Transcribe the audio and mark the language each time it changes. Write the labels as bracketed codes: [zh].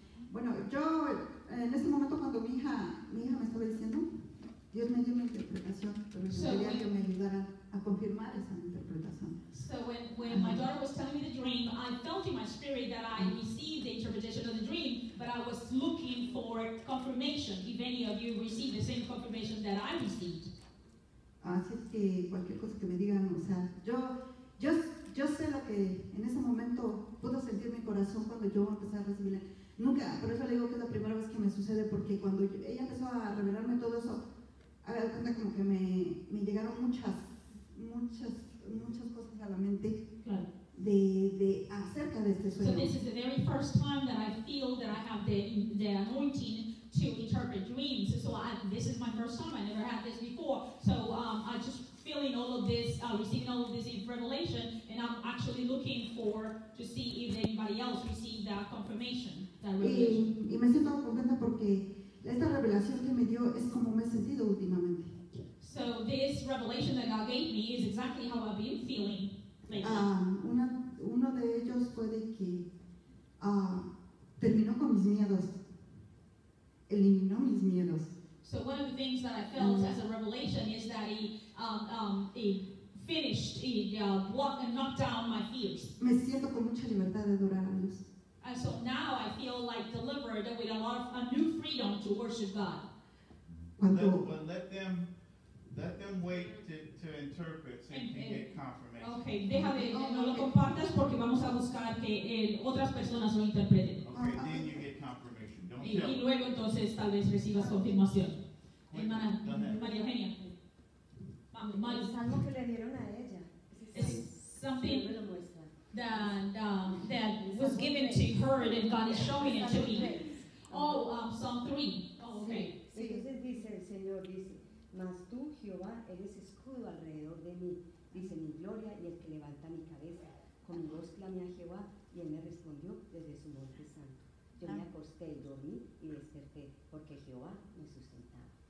[es] Bueno, yo en este momento cuando mi hija me estaba diciendo, Dios me dio mi interpretación, pero yo quería que me ayudara a confirmar esa interpretación. [en] So when my daughter was telling me the dream, I felt in my spirit that I received the interpretation of the dream, but I was looking for confirmation, if any of you received the same confirmation that I received. [es] Así que cualquier cosa que me digan, o sea, yo sé lo que en ese momento pudo sentir mi corazón cuando yo empecé a recibirla. Nunca, por eso le digo que es la primera vez que me sucede, porque cuando ella empezó a revelarme todo eso, a ver, cuenta como que me llegaron muchas cosas a la mente, claro. de acerca de este sueño. [en] So this is the very first time that I feel that I have the anointing to interpret dreams. So this is my first time. I never had this before. So I'm just feeling all of this, receiving all of this in revelation, and I'm actually looking for to see if anybody else received that confirmation, that revelation. [es] Y me siento contenta porque esta revelación que me dio es como me he sentido últimamente. [en] So this revelation that God gave me is exactly how I've been feeling lately. [es] Uno de ellos fue de que terminó con mis miedos. Eliminó mis miedos. [en] So one of the things that I felt as a revelation is that he finished, he knocked down my fears. [es] Me siento con mucha libertad de adorar a Dios. [en] And so now I feel like delivered with a new freedom to worship God. Let them wait to interpret so you can get confirmation. [es] Okay, déjame, no lo compartas porque vamos a buscar que otras personas lo interpreten. [en] Okay, then you get confirmation. Don't tell. [es] Y luego entonces tal vez recibas confirmación. Hermana María Eugenia. Es algo que le dieron a ella. [en] Something that was given to her and God is showing it to me. Oh, Psalm 3. Oh, okay. [es] Entonces dice el Señor, dice, mas tú, Jehová, eres escudo alrededor de mí, dice mi gloria y el que levanta mi cabeza. Con mi voz clamé a Jehová y él me respondió desde su monte santo. Yo me acosté y dormí y desperté porque Jehová me sustentaba.